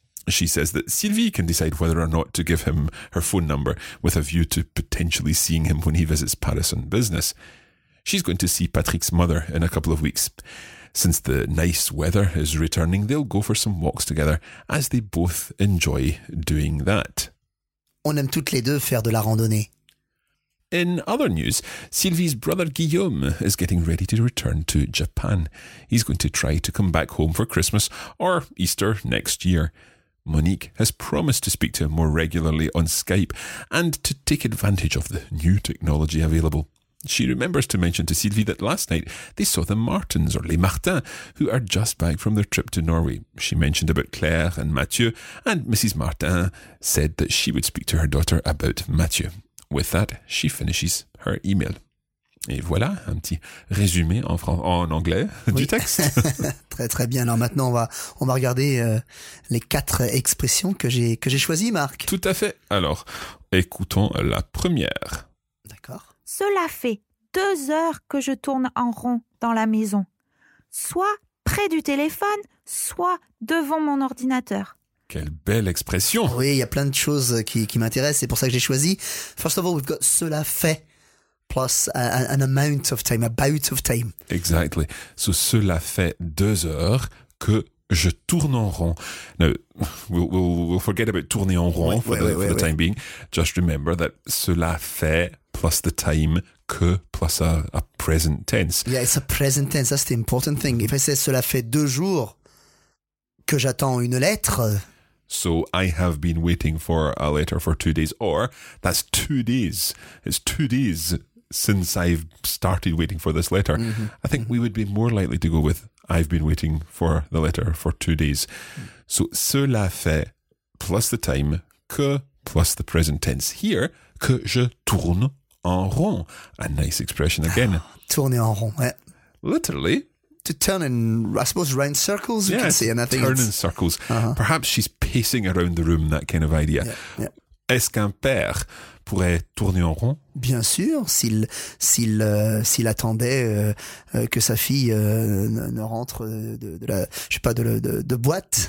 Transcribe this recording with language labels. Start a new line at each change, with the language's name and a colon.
English: She says that Sylvie can decide whether or not to give him her phone number with a view to potentially seeing him when he visits Paris on business. She's going to see Patrick's mother in a couple of weeks. Since the nice weather is returning, they'll go for some walks together, as they both enjoy doing that.
French: On aime toutes les deux faire de la randonnée.
English: In other news, Sylvie's brother Guillaume is getting ready to return to Japan. He's going to try to come back home for Christmas or Easter next year. Monique has promised to speak to him more regularly on Skype and to take advantage of the new technology available. She remembers to mention to Sylvie that last night they saw the Martins, or les Martins, who are just back from their trip to Norway. She mentioned about Claire and Mathieu, and Mrs. Martin said that she would speak to her daughter about Mathieu. With that, she finishes her email.
French: Et voilà, un petit résumé en anglais du texte. Très très bien. Alors maintenant, on va regarder les quatre expressions que j'ai choisies, Marc. Tout à fait. Alors, écoutons la première. D'accord. Cela fait 2 heures que je tourne en rond dans la maison. Soit près du téléphone, soit devant mon ordinateur. Quelle belle expression! Oui, il y a plein de choses qui m'intéressent, c'est pour ça que j'ai choisi.
English: First of all, we've got
French: cela fait,
English: plus an amount of time, a bout of time. Exactly.
French: So cela fait 2 heures que je tourne en rond.
English: Now, we'll forget about
French: tourner en rond
English: time being. Just remember that
French: cela fait
English: plus the time que plus a present tense. Yeah, it's a present tense, that's the important thing. If I say
French: cela fait 2 jours que j'attends une lettre...
English: So I have been waiting for a letter for 2 days, or that's 2 days. It's 2 days since I've started waiting for this letter. Mm-hmm. I think we would be more likely to go with I've been waiting for the letter for 2 days. So
French: cela fait
English: plus the time que plus the present tense here,
French: que je tourne en rond.
English: A nice expression again.
French: Tourner en rond, ouais.
English: Literally. To turn in, I suppose, round circles, you can see. Yeah, turn in circles. Uh-huh. Perhaps she's pacing around the room, that kind of idea. Yeah, yeah.
French: Est-ce qu'un père pourrait tourner en rond? Bien sûr, s'il attendait que sa fille ne rentre de boîte.